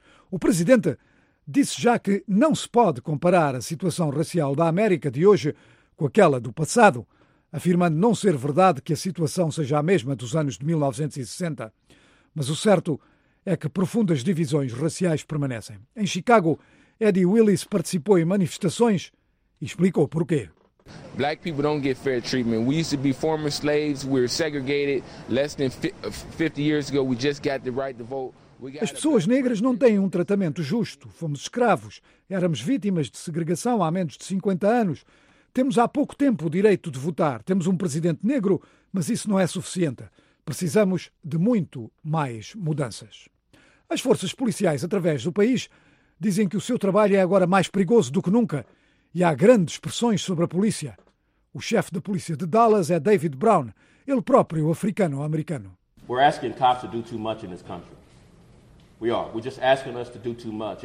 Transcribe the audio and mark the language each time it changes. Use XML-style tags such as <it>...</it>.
<pt>O presidente disse já que não se pode comparar a situação racial da América de hoje com aquela do passado, afirmando não ser verdade que a situação seja a mesma dos anos de 1960. Mas o certo é que profundas divisões raciais permanecem. Em Chicago, Eddie Willis participou em manifestações e explicou porquê.</pt> <en>Black people don't get fair treatment. We used to be former slaves. We were segregated. Less than 50 years ago, we just got the right to vote.</en> <pt>As pessoas negras não têm um tratamento justo. Fomos escravos. Éramos vítimas de segregação há menos de 50 anos. Temos há pouco tempo o direito de votar. Temos um presidente negro, mas isso não é suficiente. Precisamos de muito mais mudanças. As forças policiais através do país dizem que o seu trabalho é agora mais perigoso do que nunca. E há grandes pressões sobre a polícia. O chefe da polícia de Dallas é David Brown, ele próprio africano-americano.</pt> <en>We're asking cops to do too much in this country. We are. We're just asking us to do too much.</en>